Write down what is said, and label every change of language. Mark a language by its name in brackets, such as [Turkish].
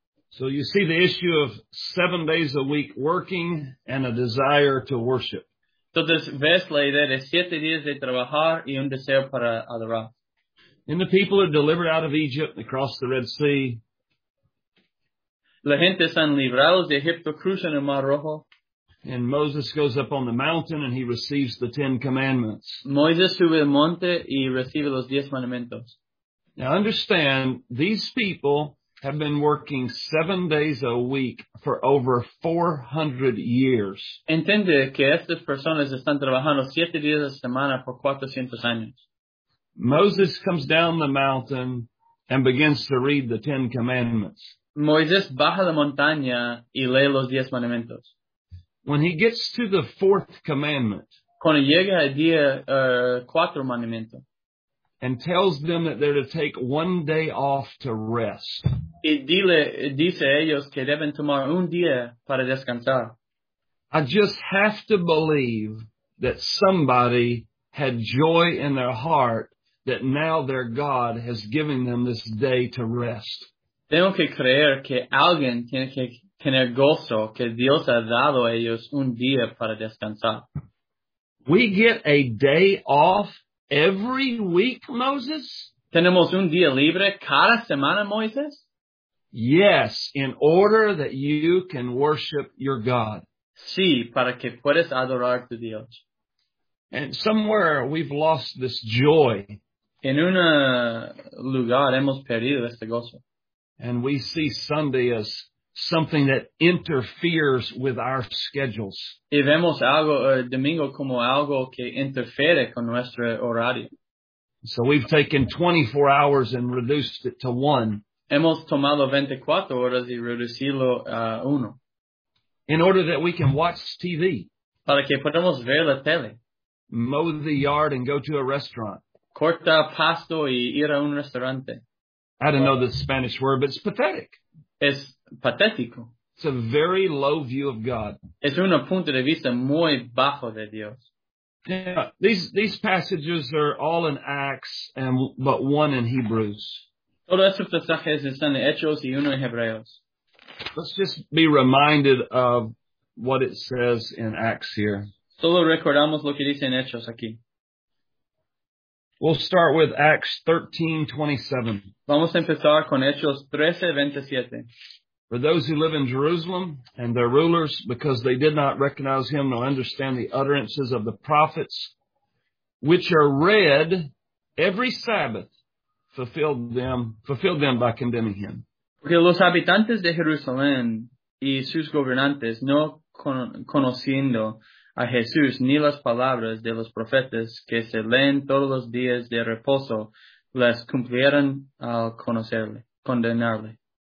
[English] So you see the issue of 7 days a week working and a desire to worship. [Spanish] Entonces ves la idea de 7 días de trabajar y un deseo para adorar. [English] And the people are delivered out of Egypt across the Red Sea. [Spanish] La gente están librados de Egipto cruzan el Mar Rojo. [English] And Moses goes up on the mountain and he receives the Ten Commandments. [Spanish] Moisés sube al monte y recibe los diez mandamientos. [English] Now understand, these people have been working 7 days a week for over 400 years. [Spanish] Entiende que estas personas están trabajando 7 días a semana por 400 años. [English] Moses comes down the mountain and begins to read the Ten Commandments. [Spanish] Moisés baja la montaña y lee los diez mandamientos. [English] When he gets to the fourth commandment, [Spanish] cuando llega al día cuatro mandamiento, [English] and tells them that they're to take 1 day off to rest, [Spanish] y dice ellos que deben tomar un día para descansar. [English] I just have to believe that somebody had joy in their heart that now their God has given them this day to rest. [Spanish] Tengo que creer que alguien tiene que tener gozo que Dios ha dado a ellos un día para descansar. [English] We get a day off every week, Moses? [Spanish] ¿Tenemos un día libre cada semana, Moisés? [English] Yes, in order that you can worship your God. [Spanish] Sí, para que puedas adorar a tu Dios. [English] And somewhere we've lost this joy. [Spanish] En un lugar hemos perdido este gozo. [English] And we see Sunday as something that interferes with our schedules. [Spanish] Y vemos algo, domingo como algo que interfere con nuestro horario. [English] So we've taken 24 hours and reduced it to one. [Spanish] Hemos tomado 24 horas y reducirlo a uno. [English] In order that we can watch TV. [Spanish] Para que podamos ver la tele. [English] Mow the yard and go to a restaurant. [Spanish] Corta pasto y ir a un restaurante. [English] I don't know the Spanish word, but it's pathetic. [Spanish] Es patético. [English] It's a very low view of God. [Spanish] Es un punto de vista muy bajo de Dios. [English] Yeah, these passages are all in Acts, and but one in Hebrews. [Spanish] Todos estos pasajes están en Hechos y uno en Hebreos. [English] Let's just be reminded of what it says in Acts here. [Spanish] Solo recordamos lo que dice en Hechos aquí. [English] We'll start with Acts 13:27. [Spanish] Vamos a empezar con Hechos 13:27. [English] For those who live in Jerusalem and their rulers, because they did not recognize him nor understand the utterances of the prophets, which are read every Sabbath, fulfilled them by condemning him. [Spanish] Porque los habitantes de Jerusalén y sus gobernantes, no conociendo a Jesús ni las palabras de los profetas que se leen todos los días de reposo, les cumplieron al conocerle, condenarle.